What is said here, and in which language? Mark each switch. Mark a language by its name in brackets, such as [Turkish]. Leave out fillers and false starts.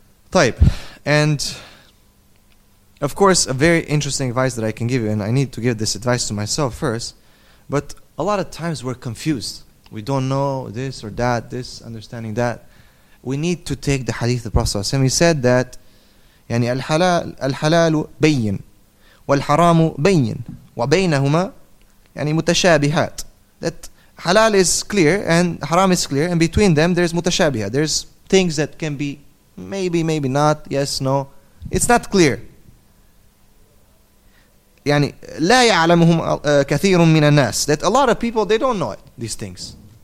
[English] طيب, and of course, a very interesting advice that I can give you, and I need to give this advice to myself first, but a lot of times we're confused. We don't know this or that, this understanding that. We need to take the hadith of the Prophet. And he said that, [Arabic] يعني الحلال بين والحرام بين وبينهما يعني متشابهات. [English] That halal is clear and haram is clear, and between them there's متشابهة. There's things that can be maybe, maybe not, yes, no. It's not clear. [Arabic] يعني لا يعلمهم كثير من الناس, [English] that a lot of people, they don't know it, these things.